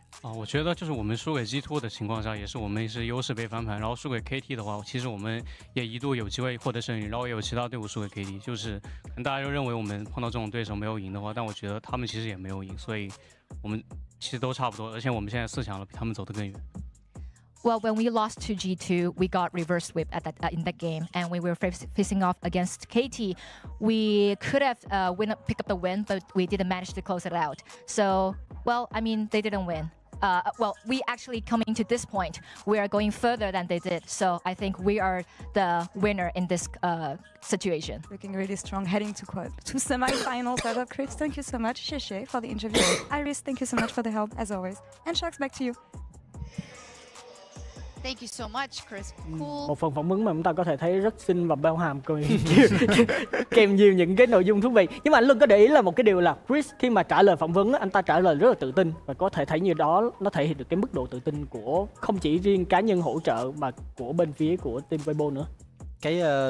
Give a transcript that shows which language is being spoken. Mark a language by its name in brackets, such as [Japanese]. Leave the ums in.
[Chinese] 啊，我觉得就是我们输给 g Two 的情况下，也是我们是优势被翻盘。然后输给 KT 的话，其实我们也一度有机会获得胜利。然后也有其他队伍输给 KT，就是可能大家就认为我们碰到这种对手没有赢的话，但我觉得他们其实也没有赢，所以我们其实都差不多。而且我们现在四强了，比他们走得更远。 [English] Well, when we lost to G2, we got reverse s whip at that in that game, and we were facing off against KT. We could have win, pick up the win, but we didn't manage to close it out. So, well, I mean, they didn't win. Uh, well, we actually coming to this point, we are going further than they did. So I think we are the winner in this uh, situation. Looking really strong, heading to quote to semi-finals. Chris, thank you so much. Shishi for the interview. Iris, thank you so much for the help as always. And Sharks, back to you. Thank you so much, Chris. Cool. [Vietnamese] Một phần phỏng vấn mà chúng ta có thể thấy rất xinh và bao hàm cười. kèm nhiều những cái nội dung thú vị. Nhưng mà anh Luân có để ý là một cái điều là Chris khi mà trả lời phỏng vấn, anh ta trả lời rất là tự tin. Và có thể thấy như đó, nó thể hiện được cái mức độ tự tin của không chỉ riêng cá nhân hỗ trợ mà của bên phía của team Weibo nữa cái